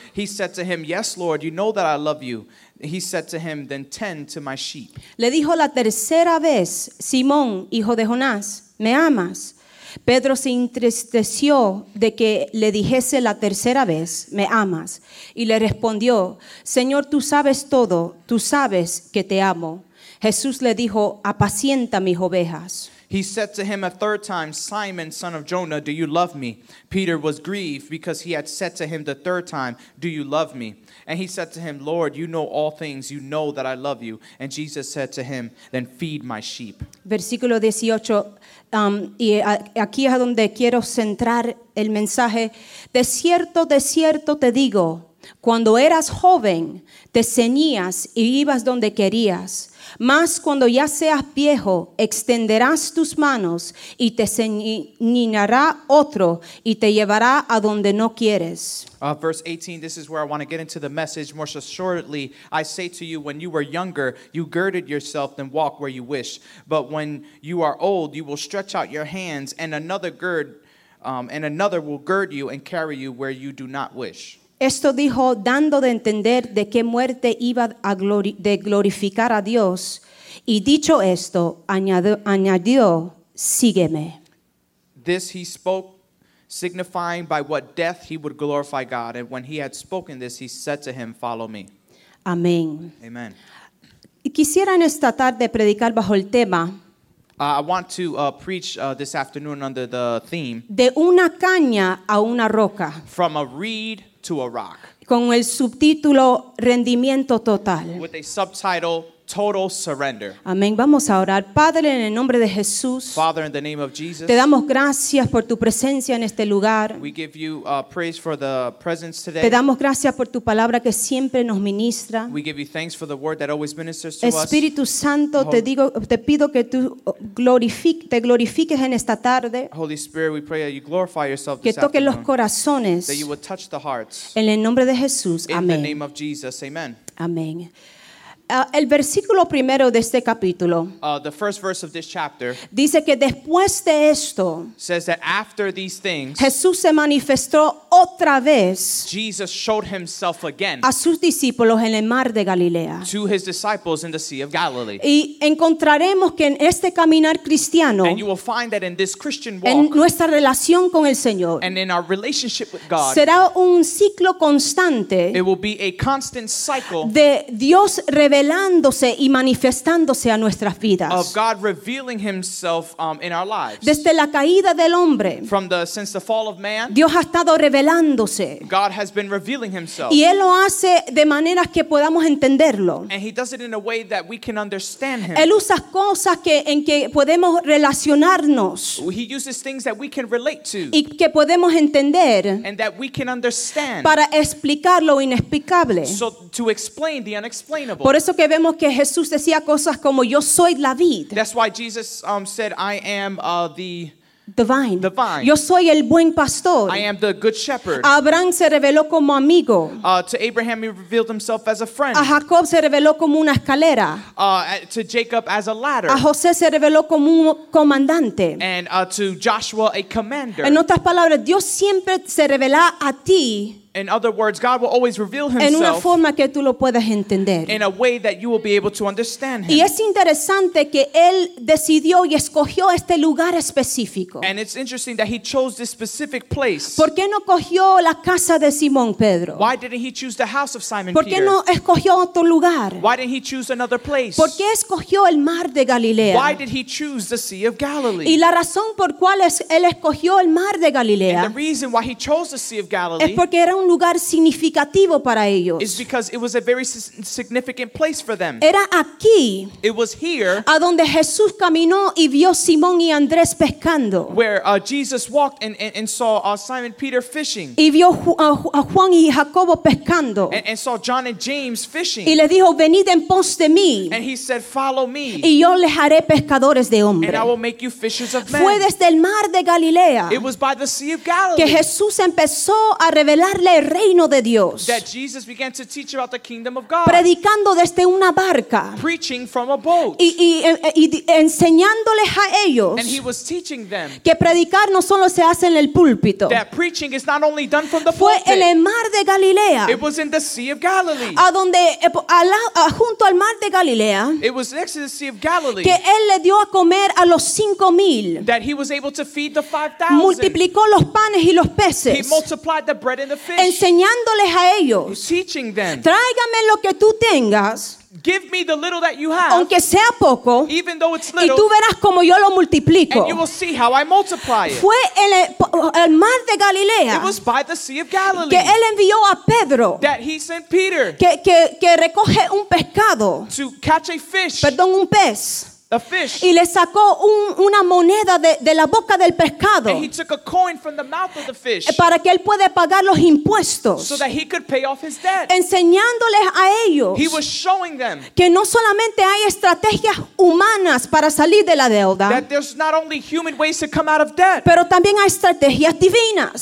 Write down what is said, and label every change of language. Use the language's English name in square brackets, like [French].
[English] He said to him, yes, Lord, you know that I love you. He said to him, then tend to my sheep. [Spanish] Le dijo la tercera vez, Simón, hijo de Jonás, ¿me amas? Pedro se entristeció de que le dijese la tercera vez, ¿me amas? Y le respondió, Señor, tú sabes todo, tú sabes que te amo. Jesús le dijo, apacienta mis ovejas. [English] He said to him a third time, Simon, son of Jonah, do you love me? Peter was grieved because he had said to him the third time, do you love me? And he said to him, Lord, you know all things. You know that I love you. And Jesus said to him, then feed my sheep. [Spanish] Versículo 18, y aquí es donde quiero centrar el mensaje. De cierto te digo, Cuando eras joven, te ceñías y ibas donde querías. Mas cuando ya seas viejo, extenderás tus manos y te ceñirá otro y te llevará a donde no quieres. [English] Verse 18, this is where I want to get into the message. Most assuredly, I say to you, when you were younger, you girded yourself and walked where you wished. But when you are old, you will stretch out your hands and another will gird you and carry you where you do not wish. [Spanish] Esto dijo dando de entender de qué muerte iba a glorificar a Dios. Y dicho esto, añadió, sígueme. [English] This he spoke, signifying by what death he would glorify God. And when he had spoken this, he said to him, follow me. [Spanish] Amén. [English] Amen. [Spanish] Quisiera en esta tarde predicar bajo el tema. [English] I want to preach this afternoon under the theme. [Spanish] De una caña a una roca. [English] From a reed to a rock. [Spanish] Con el subtítulo rendimiento total. [English] With a subtitle total surrender. [Spanish] Amén. Vamos a orar. Padre, en el nombre de Jesús. [English] Father, in the name of Jesus. [Spanish] Te damos gracias por tu presencia en este lugar. [English] We give you praise for the presence today. [Spanish] Te damos gracias por tu palabra que siempre nos ministra. [English] We give you thanks for the word that always ministers to us. [Spanish] Espíritu Santo, te pido que tú te glorifiques en esta tarde. [English] Holy Spirit, we pray that you glorify yourself this [Spanish] Que toque [English] afternoon. [Spanish] Los corazones. [English] That you would touch the hearts. [Spanish] En el nombre de Jesús. Amén. [English] In the name of Jesus. Amen. [Spanish] Amén. El versículo primero de este capítulo [English] The first verse of this chapter [Spanish] dice que después de esto [English] says that after these things, [Spanish] Jesús se manifestó otra vez [English] Jesus showed himself again [Spanish] a sus discípulos en el mar de Galilea [English] to his disciples in the Sea of Galilee. [Spanish] Y encontraremos que en este caminar cristiano [English] and you will find that in this Christian walk, [Spanish] en nuestra relación con el Señor [English] and in our relationship with God, [Spanish] será un ciclo constante [English] it will be a constant cycle [Spanish] de Dios revelándose y manifestándose a nuestras vidas. [English] Of God revealing himself in our lives. [Spanish] Desde la caída del hombre. [English] Since the fall of man. [Spanish] Dios ha estado revelándose. [English] God has been revealing himself. [Spanish] Y él lo hace de maneras que podamos entenderlo. [English] And he does it in a way that we can understand him. [Spanish] Él usa cosas en que podemos relacionarnos. [English] He uses things that we can relate to. [Spanish] Y que podemos entender. [English] And that we can understand. [Spanish] Para explicar lo inexplicable. [English] So to explain the unexplainable. [Spanish] Por eso que vemos que Jesús decía cosas como yo soy la vid. [English] That's why Jesus said I am the divine. The vine. [Spanish] Yo soy el buen pastor. [English] I am the good shepherd. [Spanish] Abraham se reveló como amigo. [English] To Abraham he revealed himself as a friend. [Spanish] A Jacob se reveló como una escalera. [English] To Jacob as a ladder. [Spanish] A José se reveló como un comandante. [English] And to Joshua a commander. [Spanish] En otras palabras, Dios siempre se revela a ti. [English] In other words, God will always reveal himself [Spanish] en una forma que tú lo puedas entender. [English] In a way that you will be able to understand him. [Spanish] Y es interesante que él decidió y escogió este lugar específico. [English] And it's interesting that he chose this specific place. [Spanish] ¿Por qué no cogió la casa de Simón Pedro? [English] Why didn't he choose the house of Simon [Spanish] ¿Por qué [English] Peter? [Spanish] No escogió otro lugar? [English] Why didn't he choose another place? [Spanish] ¿Por qué escogió el mar de Galilea? [English] Why did he choose the Sea of Galilee? [Spanish] Y la razón por cuál es él escogió el mar de Galilea [English] And the reason why he chose the Sea of Galilee [Spanish] es porque era un lugar significativo para ellos. [English] It's because it was a very significant place for them. [Spanish] Era aquí. [English] It was here. [Spanish] A donde Jesús caminó y vio Simón y Andrés pescando. [English] Where Jesus walked and saw Simon Peter fishing. [Spanish] Y vio a Juan y Jacobo pescando. [English] And saw John and James fishing. [Spanish] Y les dijo, venid en pos de mí. [English] And he said, follow me. [Spanish] Y yo les haré pescadores de hombres. [English] And I will make you fishers of men. [Spanish] Fue desde el mar de Galilea. [English] It was by the Sea of Galilee. [Spanish] Que Jesús empezó a revelar el reino de Dios [English] that Jesus began to teach about the kingdom of God, [Spanish] predicando desde una barca [English] preaching from a boat, [Spanish] y enseñándoles a ellos [English] and he was teaching them, [Spanish] que predicar no solo se hace en el púlpito [English] that preaching is not only done from the [Spanish] fue [English] pulpit, [Spanish] en el mar de Galilea [English] it was in the Sea of Galilee, [Spanish] a donde, junto al mar de Galilea [English] it was next to the Sea of Galilee, [Spanish] que él le dio a comer a los 5,000 [English] that he was able to feed the 5,000 [Spanish] multiplicó los panes y los peces [English] he multiplied the bread and the fish, [Spanish] enseñándoles a ellos [English] teaching them, [Spanish] tráigame lo que tú tengas [English] give me the little that you have, [Spanish] aunque sea poco [English] even though it's little, [Spanish] y tú verás como yo lo multiplico [English] and you will see how I multiply it. [Spanish] Fue en el mar de Galilea [English] it was by the Sea of Galilee, [Spanish] que él envió a Pedro [English] that he sent Peter, [Spanish] que recoge un pescado [English] to catch a fish, [Spanish] perdón, un pez [English] A fish. [Spanish] Y le sacó una moneda de la boca del pescado. [English] And he took a coin from the mouth of the fish. [Spanish] Para que él pueda pagar los impuestos. [English] So that he could pay off his debt. [Spanish] Enseñándoles a ellos. [English] He was showing them. [Spanish] Que no solamente hay estrategias humanas para salir de la deuda. [English] That there's not only human ways to come out of debt. [Spanish] Pero también hay estrategias divinas.